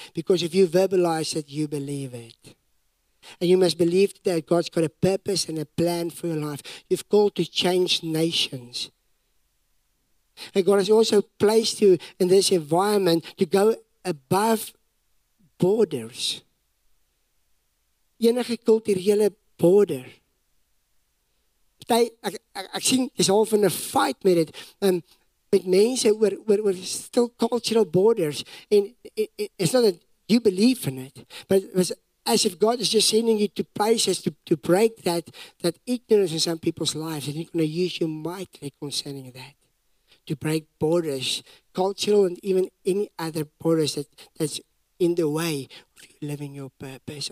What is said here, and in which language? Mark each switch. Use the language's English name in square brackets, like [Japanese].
[English] Because if you verbalize it, you believe it. And you must believe that God's got a purpose and a plan for your life. You've called to change nations. And God has also placed you in this environment to go above borders. [Afrikaans] Enige kulturele border. Ek sien is al van 'n fight met dit. Met mense oor [English] still cultural borders. And it's not that you believe in it, but it was as if God is just sending you to places to break that ignorance in some people's lives. And he's going to use your might concerning that. To break borders, cultural and even any other borders that's in the way of you living your purpose.